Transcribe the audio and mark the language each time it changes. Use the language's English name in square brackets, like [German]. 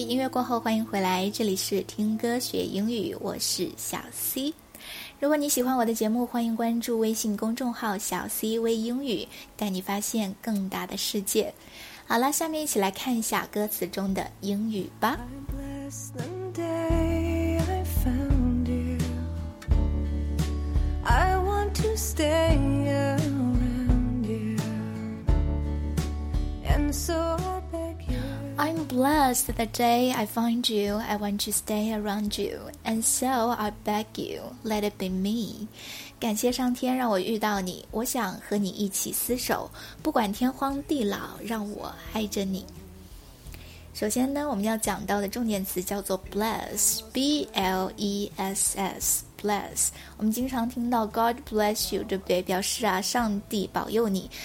[Chinese] 过后欢迎回来，这里是听歌学英语，我是小 C。如果你喜欢我的节目，欢迎关注微信公众号小 C 微英语，带你发现更大的世界。好了，下面一起来看一下歌词中的英语吧。 [English] I'm blessed the day I found you. I want to stay around you. And so I'm blessed the day I find you. I want to stay around you. And so I beg you, let it be me. [Chinese] 感谢上天让我遇到你，我想和你一起厮守，不管天荒地老，让我爱着你。首先呢，我们要讲到的重点词叫做 bless, B-L-E-S-S, bless。我们经常听到 [English] God bless you, [Chinese] 对不对？表示啊，上帝保佑你。